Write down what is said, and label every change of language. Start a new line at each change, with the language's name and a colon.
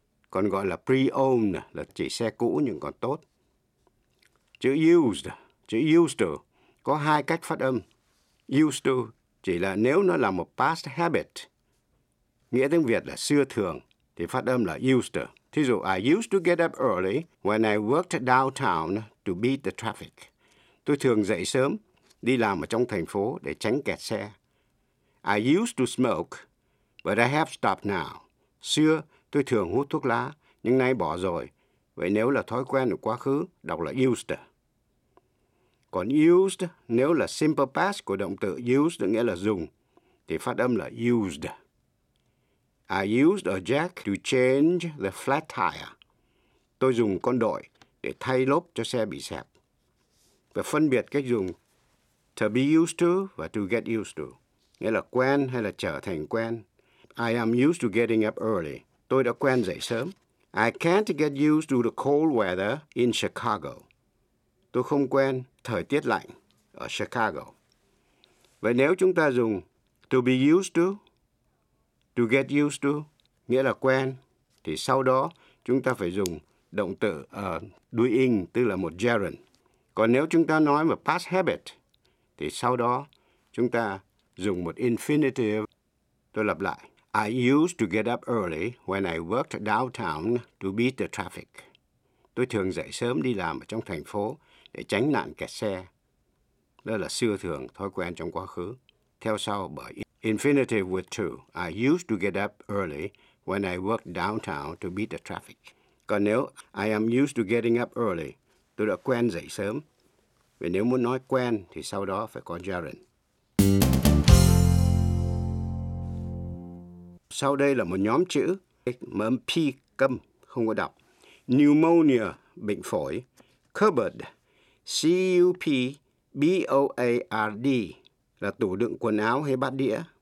Vietnamese: Còn gọi là pre-owned là chỉ xe cũ nhưng còn tốt. Chữ used to có hai cách phát âm. Used to chỉ là nếu nó là một past habit, nghĩa tiếng Việt là xưa thường, thì phát âm là used to. Thí dụ,
English: I used to get up early when I worked downtown to beat the traffic.
Vietnamese: Tôi thường dậy sớm, đi làm ở trong thành phố để tránh kẹt xe.
English: I used to smoke, but I have stopped now.
Vietnamese: Xưa, tôi thường hút thuốc lá, nhưng nay bỏ rồi. Vậy nếu là thói quen của quá khứ, đọc là used. Còn used, nếu là simple past của động từ used, nghĩa là dùng, thì phát âm là used.
English: I used a jack to change the flat tire.
Vietnamese: Tôi dùng con đội để thay lốp cho xe bị xẹp. Và phân biệt cách dùng to be used to và to get used to, nghĩa là quen hay là trở thành quen.
English: I am used to getting up early.
Vietnamese: Tôi đã quen dậy sớm.
English: I can't get used to the cold weather in Chicago.
Vietnamese: Tôi không quen thời tiết lạnh ở Chicago. Vậy nếu chúng ta dùng to be used to get used to, nghĩa là quen, thì sau đó chúng ta phải dùng động từ doing, tức là một gerund. Còn nếu chúng ta nói mà past habit, thì sau đó chúng ta dùng một infinitive. Tôi lặp lại.
English: I used to get up early when I worked downtown to beat the traffic.
Vietnamese: Tôi thường dậy sớm đi làm ở trong thành phố để tránh nạn kẹt xe. Đó là xưa thường, thói quen trong quá khứ. Theo sau bởi infinitive with to.
English: I used to get up early when I worked downtown to beat the traffic.
Vietnamese: Còn nếu
English: I am used to getting up early,
Vietnamese: tôi đã quen dậy sớm. Vì nếu muốn nói quen thì sau đó phải có gerund. Sau đây là một nhóm chữ mà âm P câm, không có đọc. Pneumonia, bệnh phổi. Cupboard, C-U-P-B-O-A-R-D, là tủ đựng quần áo hay bát đĩa.